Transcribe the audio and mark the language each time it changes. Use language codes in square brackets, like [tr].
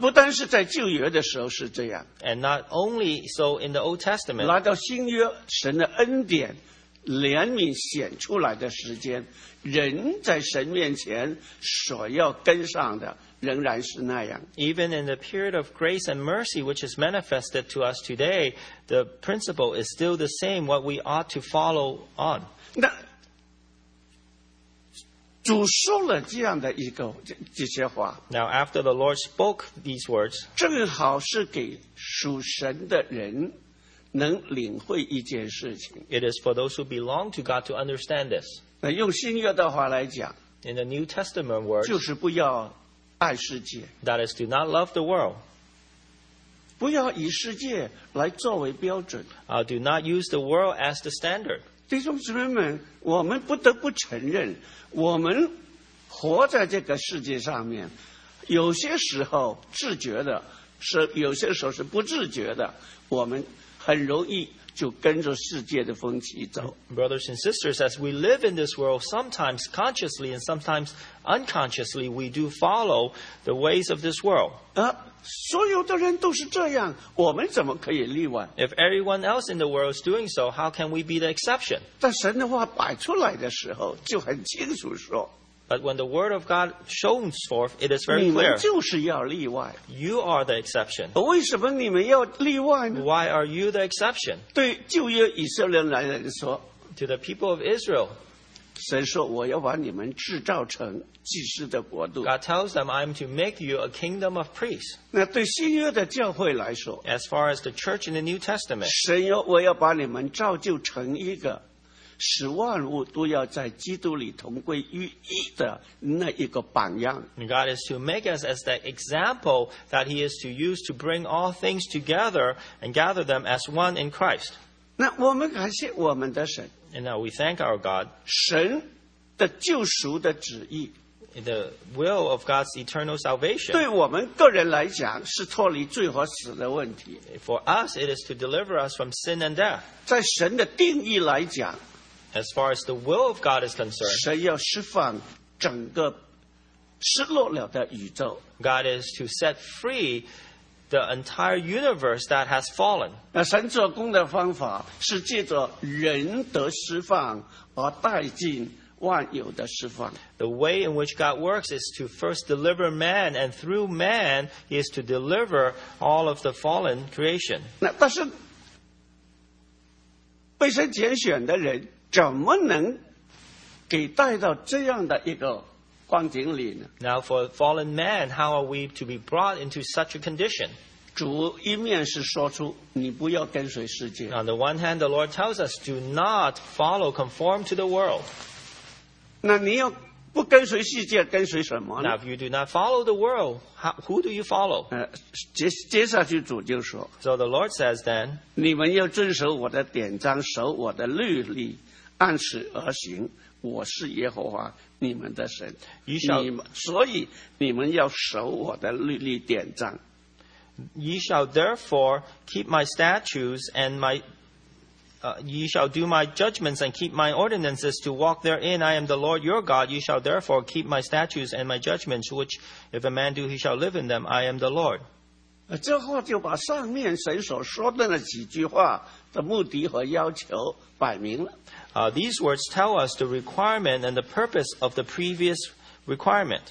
[zh] 不单是在旧约的时候是这样。 [en] And not only so in the Old Testament. [zh] 来到新约，神的恩典、怜悯显出来的时间，人在神面前所要跟上的。仍然是那样。 [en] Even in the period of grace and mercy which is manifested to us today, the principle is still the same what we ought to follow on. [zh] 那主说了这样的一个 这些话。 [en] Now after the Lord spoke these words， [zh] 正好是给属神的人能领会一件事情。 [en] It is for those who belong to God to understand this。 [zh] 那用新约的话来讲 [en] ，In the New Testament words， [zh] 就是不要爱世界。 [en] That is do not love the world。 [zh] 不要以世界来作为标准。 [en] Do not use the world as the standard。 [zh] 弟兄姊妹们，我们不得不承认，我们活在这个世界上面，有些时候自觉的，是有些时候是不自觉的，我们很容易就跟着世界的风气走。 [en] Brothers and sisters, as we live in this world, sometimes consciously and sometimes unconsciously, we do follow the ways of this world. [zh] 所有的人都是这样，我们怎么可以例外？ [en] If everyone else in the world is doing so, how can we be the exception? [zh] 但神的话摆出来的时候就很清楚说， [en] But when the word of God shows forth, it is very clear. [zh] 你们就是要例外。 [en] You are the exception. [zh] 为什么你们要例外呢？ [en] Why are you the exception? [zh] 对旧约以色列人来说， [en] To the people of Israel, [zh] 神说我要把你们制造成祭司的国度。 [en] God tells them, I'm to make you a kingdom of priests. [zh] 那对新约的教会来说， [en] As far as the church in the New Testament, [zh] 神要我要把你们造就成一个使万物都要在基督里同归于一的那一个榜样。 [en] God is to make us as the example that He is to use to bring all things together and gather them as one in Christ. [zh] 那我们感谢我们的神。 [en] And now we thank our God. [zh] 神的救赎的旨意。 [en] The will of God's eternal salvation. [zh] 对我们个人来讲是脱离罪和死的问题。 [en] For us, it is to deliver us from sin and death. [zh] 在神的定义来讲， [en] As far as the will of God is concerned, [zh] 神要释放整个失落了的宇宙。 [en] God is to set free the entire universe that has fallen. [zh] 那神做工的方法是借着人得释放而带进万有的释放。 [en] The way in which God works is to first deliver man, and through man, He is to deliver all of the fallen creation. [zh] 那但是被神拣选的人怎么能给带到这样的一个光景里呢？ [en] Now for fallen man, how are we to be brought into such a condition? [zh] 主一面是说出你不要跟随世界。 [en] On the one hand, the Lord tells us, do not follow, conform to the world. [zh] 那你要不跟随世界，跟随什么呢？ [en] Now if you do not follow the world, who do you follow? [zh] 接下去主就说， [en] So the Lord says then, [zh] 你们要遵守我的典章，守我的律例。按此而行，我是耶和华你们的神。所以你们要守我的律例典章。 [en] Ye shall therefore keep my statutes and my, ye shall do my judgments and keep my ordinances to walk therein. I am the Lord your God. Ye shall therefore keep my statutes and my judgments, which if a man do, he shall live in them. I am the Lord. [zh] 这话就把上面神所说的那几句话的目的和要求摆明了。 [en] These words tell us the requirement and the purpose of the previous requirement.